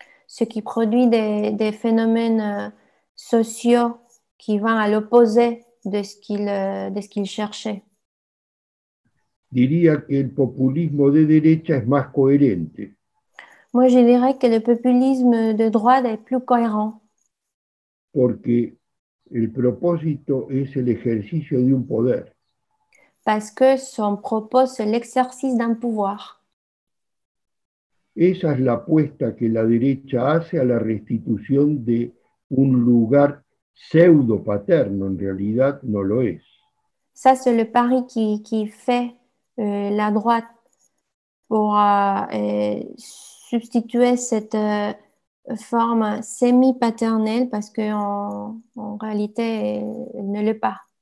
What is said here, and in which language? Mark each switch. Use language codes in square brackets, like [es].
[fr] Ce qui produit des phénomènes sociaux qui vont à l'opposé de ce qu'il cherchait. [es] Diría que el populismo de derecha es más coherente. [fr] Moi, je dirais que le populisme de droite est plus cohérent. [es] Porque el propósito es el ejercicio de un poder. [fr] Parce que son propos c'est l'exercice d'un pouvoir. [es] Esa es la apuesta que la derecha hace a la restitución de un lugar pseudo paterno, en realidad no lo es. [fr] Ça c'est le pari qui fait la droite pour substituer cette forme semi-paternelle parce qu'en réalité, elle ne l'est pas.